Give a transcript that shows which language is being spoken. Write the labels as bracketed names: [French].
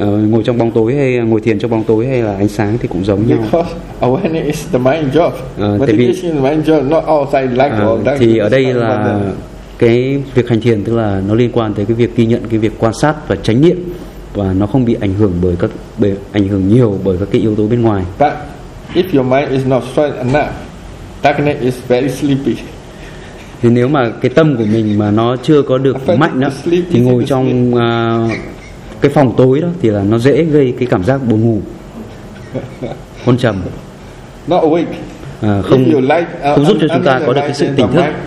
[Vietnamese] Ngồi trong bóng tối hay ngồi thiền trong bóng tối hay là ánh sáng thì cũng giống [English] because Because awareness is the mind job. Meditation is mind job, not outside light or dark. [Vietnamese] Thì ở đây là cái việc hành thiền tức là nó liên quan tới cái việc ghi nhận, cái việc quan sát và chánh niệm và nó không bị ảnh hưởng bởi các ảnh hưởng nhiều bởi các cái yếu tố bên ngoài. [English] But if your mind is not strong enough, darkness is very sleepy. [Vietnamese] Thì nếu mà cái tâm của mình mà nó chưa có được mạnh đó, thì ngồi trong cái phòng tối đó thì là nó dễ gây cái cảm giác buồn ngủ, hôn trầm. [English] Not awake. [Vietnamese] Không giúp cho chúng ta có được cái sự tỉnh thức.